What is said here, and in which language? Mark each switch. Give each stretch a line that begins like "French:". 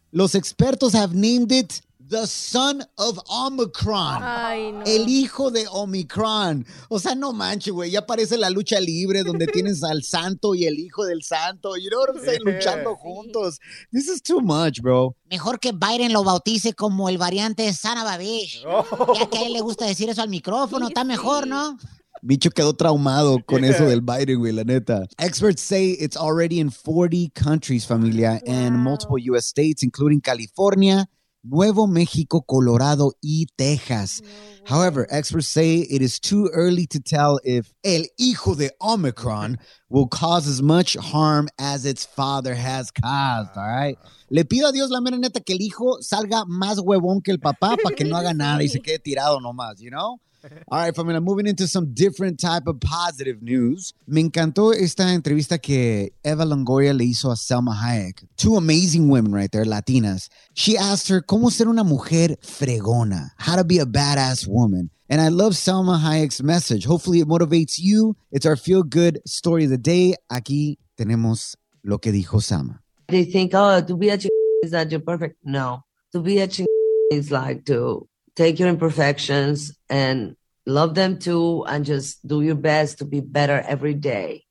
Spanish: Los expertos
English: have named it the son of Omicron.
Spanish: Ay, no. El hijo de Omicron. O sea, no manches, güey. Ya parece la lucha libre donde tienes al santo y el hijo del santo.
English: You know what I'm saying?
Spanish: Luchando juntos.
English: This is too much, bro.
Spanish: Mejor que Biden lo bautice como el variante de Sana Babish. Ya que a él le gusta decir eso al micrófono. Está mejor, ¿no? Bicho quedó traumado con eso del Biden, güey, la neta.
English: Experts say it's already in 40 countries, familia, wow, and multiple U.S. states, including California, Nuevo México, Colorado, y Texas. However, experts say it is too early to tell if
Spanish: el hijo de Omicron
English: will cause as much harm as its father has caused, all right?
Spanish: Le pido a Dios, la mera neta, que el hijo salga más huevón que el papá para que no haga nada y se quede tirado nomás,
English: you know? All right, familia, moving into some different type of positive news.
Spanish: Me encantó esta entrevista que Eva Longoria le hizo a Selma Hayek.
English: Two amazing women right there, Latinas. She asked her,
Spanish: ¿cómo ser una mujer fregona?
English: How to be a badass woman? And I love Selma Hayek's message. Hopefully it motivates you. It's our feel-good story of the day.
Spanish: Aquí tenemos lo que dijo Selma.
English: They think, oh, to be a is that you're perfect? No. To be a is like to take your imperfections and love them too, and just do your best to be better every day.